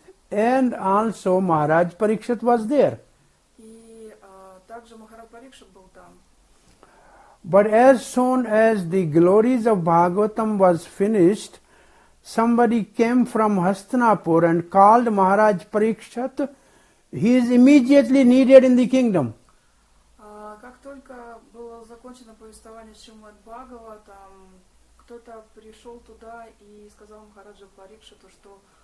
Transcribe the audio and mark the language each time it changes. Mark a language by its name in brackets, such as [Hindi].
[English] And also Maharaj Parikshit was there. [Russian] И также Махарад Парикшит был там. [English] But as soon as the glories of Bhagavatam was finished, somebody came from Hastinapur and called Maharaj Parikshit. He is immediately needed in the kingdom. [Russian] Как только было закончено повествование Шримад Бхагаватам, кто-то пришел туда и сказал Махараджу Парикшиту, что